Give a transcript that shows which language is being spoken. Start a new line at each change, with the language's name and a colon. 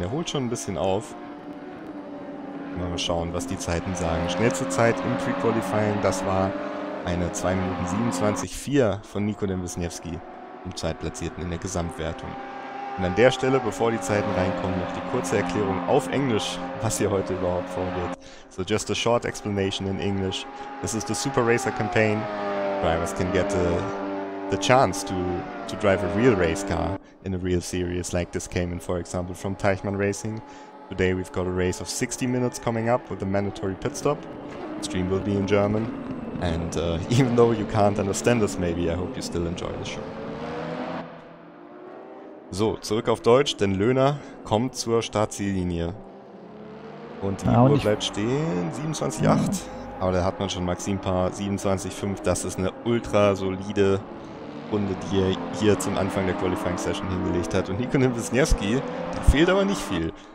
German: Der holt schon ein bisschen auf. Mal schauen, was die Zeiten sagen. Schnellste Zeit im Pre-Qualifying, das war eine 2 Minuten 27,4 von Nico Dembiszniewski im Zeitplatzierten in der Gesamtwertung. Und an der Stelle, bevor die Zeiten reinkommen, noch die kurze Erklärung auf Englisch, was hier heute überhaupt vorgeht.
English: So, just a short explanation in English. This is the Super Racer Campaign. Drivers can get the chance to drive a real race car in a real series like this Cayman, for example, from Teichmann Racing. Today we've got a race of 60 minutes coming up with a mandatory pit stop. The stream will be in German. And even though you can't understand this maybe, I hope you still enjoy the show.
German: So, zurück auf Deutsch, denn Löhner kommt zur Startziellinie. Und die Uhr bleibt stehen, 27,8. Aber da hat man schon Maxim Paar, 27,5. Das ist eine ultra solide Runde, die er hier zum Anfang der Qualifying Session hingelegt hat. Und Nico Dembiszniewski, da fehlt aber nicht viel.